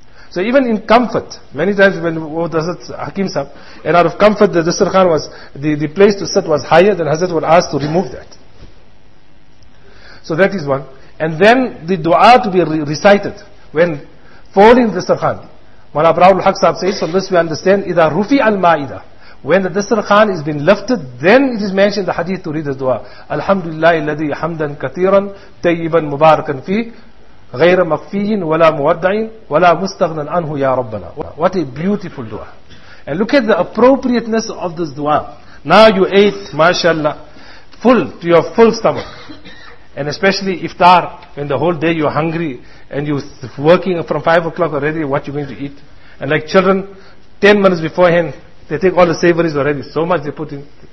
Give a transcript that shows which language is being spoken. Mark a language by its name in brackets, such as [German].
[English] So even in comfort, many times when Hazrat Hakim Sahib, and out of comfort the dastarkhan was, the place to sit was higher, then Hazrat would ask to remove that. So that is one. And then the dua to be recited when falling the dastarkhan. Mala Abraul Haq Sahib says, from this we understand, [Arabic] إِذَا رُفِعَ الْمَائِدَةِ, [English] when the dastarkhan is been lifted, then it is mentioned the hadith to read the dua. [Arabic] Alhamdulillah الَّذِي حَمْدًا كَثِيرًا تَيِّبًا مُبَارَكًا فِيهِ غير مخفي ولا مودعي ولا مستغنى عنه يا ربنا. [English] What a beautiful dua. And look at the appropriateness of this dua. Now you ate, mashallah, full to your full stomach. And especially iftar, when the whole day you're hungry and you're working from 5 o'clock already, what you're going to eat. And like children, 10 minutes beforehand, they take all the savouries already. So much they put in.